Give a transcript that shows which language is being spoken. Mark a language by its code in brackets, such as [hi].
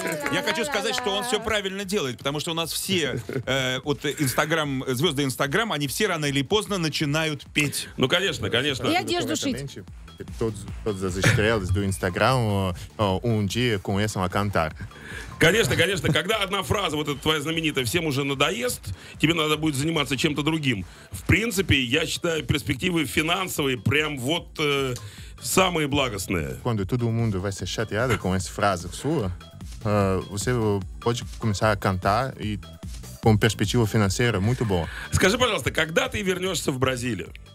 [ru] Но я хочу сказать, что он все правильно делает, потому что у нас все вот Инстаграм, звезды Инстаграм, они все рано или поздно начинают петь. Ну, конечно, конечно. И одежду шить. [pt] Todas as estrelas do Instagram um dia começam a cantar. [ru] Конечно, конечно, когда одна фраза, вот эта твоя знаменитая, всем уже надоест, тебе надо будет заниматься чем-то другим. В принципе, я считаю, перспективы финансовые прям вот самые благостные. [pt] Quando todo mundo vai ser chateado com essa frase sua, você pode começar a cantar e com perspectiva financeira muito boa. [ru] Скажи, пожалуйста, когда ты вернешься в Бразилию?